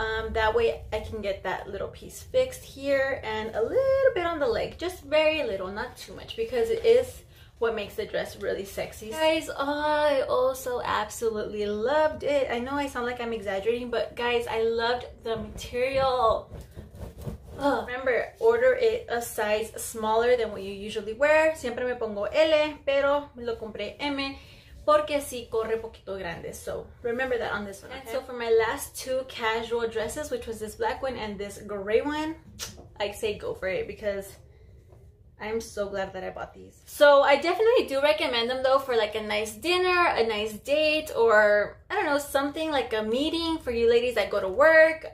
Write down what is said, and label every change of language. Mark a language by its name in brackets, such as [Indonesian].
[English] That way I can get that little piece fixed here and a little bit on the leg, just very little, not too much, because it is what makes the dress really sexy. Guys, I also absolutely loved it. I know I sound like I'm exaggerating, but guys, I loved the material. Remember, order it a size smaller than what you usually wear. [Spanish] Siempre me pongo L, pero lo compré M. Porque si corre poquito grande. [English] So remember that on this one. Okay. And so for my last two casual dresses, which was this black one and this gray one, I say go for it because I'm so glad that I bought these. So I definitely do recommend them though for like a nice dinner, a nice date, or I don't know, something like a meeting for you ladies that go to work.